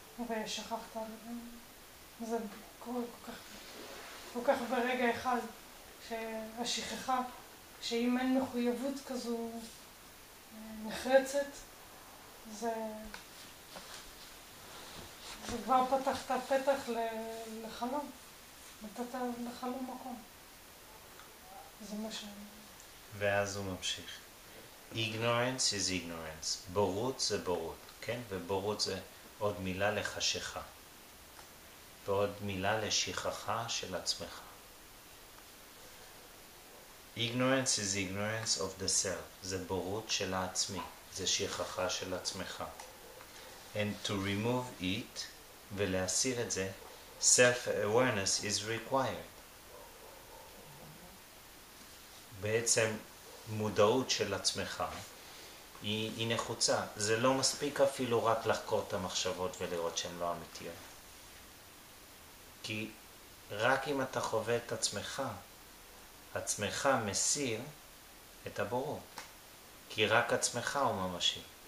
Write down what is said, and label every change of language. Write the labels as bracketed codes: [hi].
[he] ושכחת על זה, כל כך ברגע אחד שהשכחה, שאם אין מחויבות כזו נחרצת, זה כבר פתחת פתח לחלום, נתת לחלום מקום. זה מה שאני... ואז הוא ממשיך. [en] Ignorance is ignorance. [he] בורות זה בורות, כן? ובורות זה... עוד מילה לחשיכה, ועוד מילה לשכחה של עצמך. [en] Ignorance is ignorance of the self. [he] זה בורות של העצמי, זה שכחה של עצמך. [en] And to remove it, [he] ולהסיר את זה, [en] self-awareness is required. [he] בעצם מודעות של עצמך, היא נחוצה. זה לא מספיק אפילו רק לחקור את המחשבות ולראות שהן לא אמיתיות. כי רק אם אתה חווה את עצמך, עצמך מסיר את הבורות. כי רק עצמך הוא ממשי.